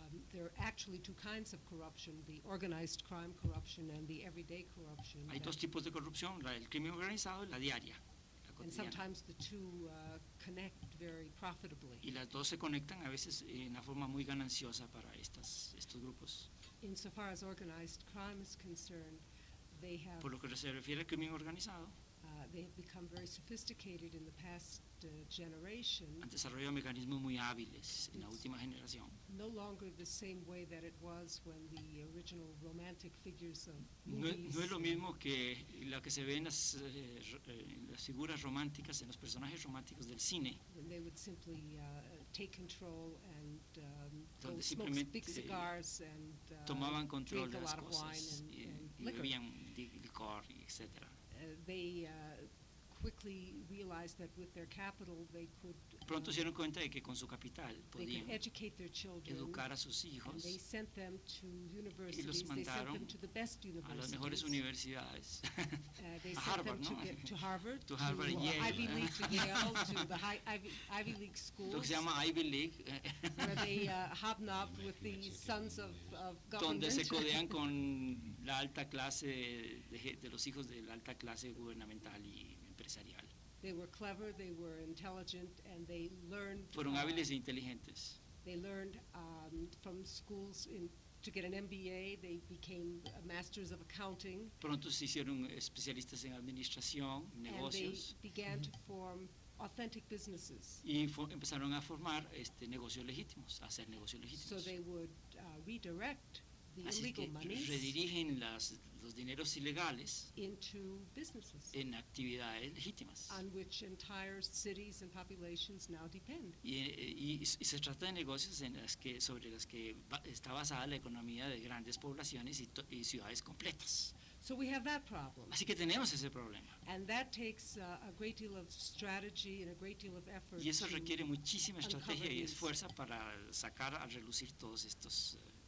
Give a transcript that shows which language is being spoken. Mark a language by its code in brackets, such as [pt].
[en] There are actually two kinds of corruption, the organized crime corruption and the everyday corruption. [es] Hay dos tipos de corrupción, la del crimen organizado y la diaria, la cotidiana. [en] And sometimes the two connect very profitably. [es] Y las dos se conectan a veces en una forma muy gananciosa para estos grupos. [en] insofar as organized crime is concerned, they have, [es] por lo que se refiere al crimen organizado, [en] they have become very sophisticated in the past generation. [es] Han desarrollado mecanismos muy hábiles en la última generación. [en] No longer the same way that it was when the original romantic figures of movies. [es] No es lo mismo que lo que se ve en las figuras románticas, en los personajes románticos del cine. [en] When they would simply take control and [es] donde simplemente [en] smoke big cigars and, [es] tomaban control de las cosas [en] and [es] y bebían licor, etc. [en] They quickly realized that with their capital they could [es] pronto se dieron cuenta de que con su capital podían [en] educate their children, [es] educar a sus hijos, [en] and they sent them to universities. [es] Y los mandaron [en] they sent them to the best universities, [es] a las mejores universidades, [en] they [es] a [en] sent Harvard, them [es] ¿no? [en] to Harvard to Yale, Ivy League, to Yale, to the high Ivy League schools, [es] lo que se llama Ivy League, [en] where they hobnob with the sons of government, [es] donde se codean con la alta clase de los hijos de la alta clase gubernamental y empresarial. [en] They were clever, they were intelligent, and they learned. [es] Fueron hábiles e inteligentes. [en] They learned from schools to get an MBA. They became masters of accounting. [es] Pronto se hicieron especialistas en administración, negocios. [en] And they began to form authentic businesses. [es] Y empezaron a formar negocios legítimos, a hacer negocios legítimos. [en] So they would redirect the [es] así [en] illegal money. [es] Redirigen las los dineros ilegales [en] into businesses, [es] en actividades legítimas [en] on which entire cities and populations now depend. [es] Y se trata de negocios en las que, sobre las que está basada la economía de grandes poblaciones y ciudades completas. [en] So we have that problem. [es] Así que tenemos ese problema. [en] And that takes a great deal of strategy and a great deal of effort. [es] Y eso requiere muchísima estrategia y esfuerzo para sacar a relucir todos estos